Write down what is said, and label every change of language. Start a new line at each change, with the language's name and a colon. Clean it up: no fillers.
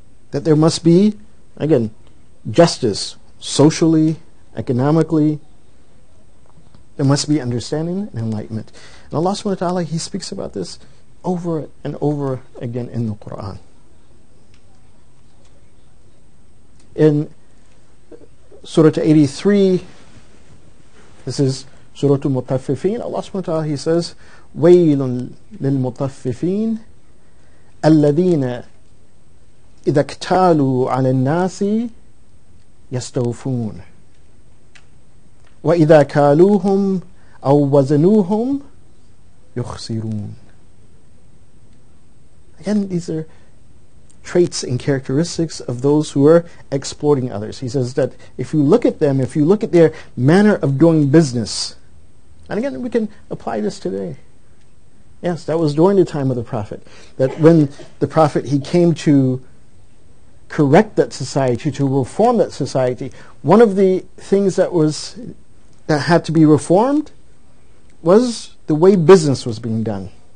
English: That there must be, again, justice socially, economically. There must be understanding and enlightenment. And Allah subhanahu wa ta'ala, He speaks about this over and over again in the Quran. In Surah 83, this is Surah Al-Mutaffifin, Allah subhanahu wa ta'ala, He says,
Arabic: وَيْلٌ لِلْمُطَفِّفِينَ الَّذِينَ إِذَا اكْتَالُوا عَلَى النَّاسِ يَسْتَوْفُونَ وَإِذَا كَالُوهُمْ أَوْ وَزَنُوهُمْ يُخْسِرُونَ.
English: Again, these are traits and characteristics of those who are exploiting others. He says that if you look at them, if you look at their manner of doing business, and again, we can apply this today. Yes, that was during the time of the Prophet, that when the Prophet, he came to correct that society, to reform that society, one of the things that was, that had to be reformed, was the way business was being done.